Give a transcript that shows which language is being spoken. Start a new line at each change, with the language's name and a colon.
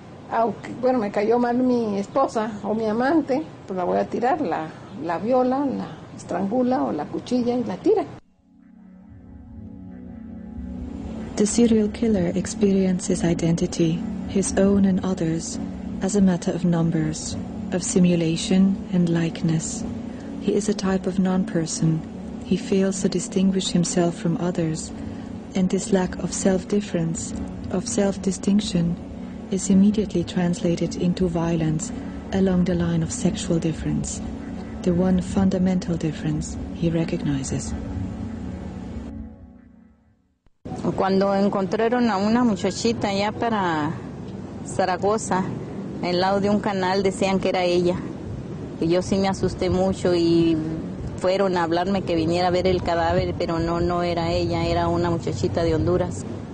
Spanish: Aunque bueno, me cayó mal mi esposa o mi amante, pues la voy a tirar, la viola, la estrangula o la cuchilla y la tira.
English: The serial killer experiences identity, his own and others, as a matter of numbers, of simulation and likeness. He is a type of non-person. He fails to distinguish himself from others, and this lack of self-difference, of self-distinction, is immediately translated into violence along the line of sexual difference, the one fundamental difference he recognizes.
Spanish: Cuando encontraron a una muchachita allá para Zaragoza, al lado de un canal, decían que era ella. Y yo sí me asusté mucho y fueron a hablarme que viniera a ver el cadáver, pero no era ella, era una muchachita de Honduras.